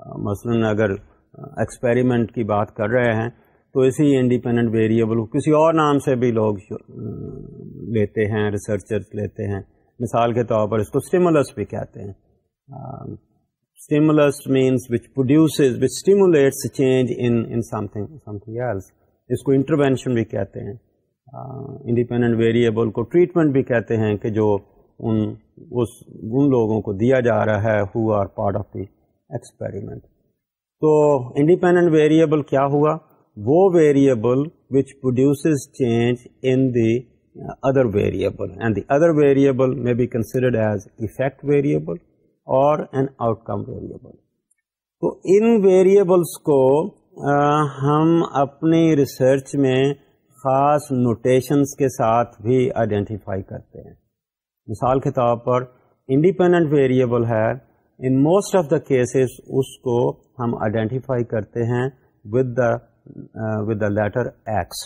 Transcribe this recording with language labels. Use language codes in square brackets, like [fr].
[ur] Maslan agar experiment کی بات کر رہے ہیں تو اسی انڈیپینڈنٹ ویریبل کو کسی اور نام سے بھی لوگ لیتے ہیں, ریسرچر لیتے ہیں. مثال کے طور پر اس کو اسٹیمولس بھی کہتے ہیں. [en] Stimulus means which produces which stimulates change in something something else. [ur] اس کو انٹروینشن بھی کہتے ہیں. انڈیپینڈنٹ ویریبل کو ٹریٹمنٹ بھی کہتے ہیں کہ جو ان لوگوں کو دیا جا رہا ہے [en] Who are part of the experiment. [ur] تو انڈیپینڈنٹ ویریبل کیا ہوا, [en] وہ variable which produces change in the other variable, and the other variable may be considered as effect variable اور an outcome variable. [ur] تو ان ویریبلس کو ہم اپنی research میں خاص نوٹیشنس کے ساتھ بھی آئیڈینٹیفائی کرتے ہیں. مثال کے طور پر انڈیپینڈنٹ ویریبل ہے, [en] in most of the cases [ur] اس کو ہم آئیڈینٹیفائی کرتے ہیں [en] With the letter X.